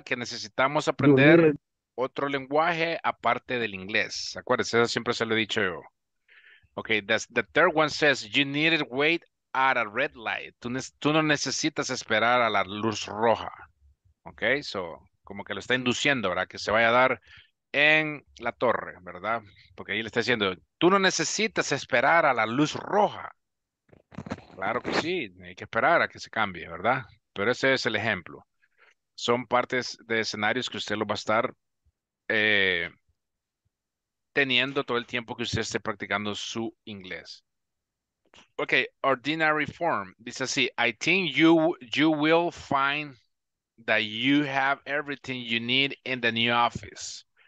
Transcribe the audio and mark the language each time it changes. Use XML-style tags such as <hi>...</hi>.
<es>Que necesitamos aprender otro lenguaje aparte del inglés. Acuérdense, eso siempre se lo he dicho yo.</es> <en>Okay, the third one says, you need to wait at a red light.</en> <es>Tú no necesitas esperar a la luz roja. Okay, so, como que lo está induciendo, ¿verdad? Que se vaya a dar en la torre, ¿verdad? Porque ahí le está diciendo, tú no necesitas esperar a la luz roja. Claro que sí, hay que esperar a que se cambie, ¿verdad? Pero ese es el ejemplo. Son partes de escenarios que usted lo va a estar teniendo todo el tiempo que usted esté practicando su inglés.</es> <en>Okay, ordinary form.</en> <es>Dice así,</es> <en>I think you will find that you have everything you need in the new office.</en>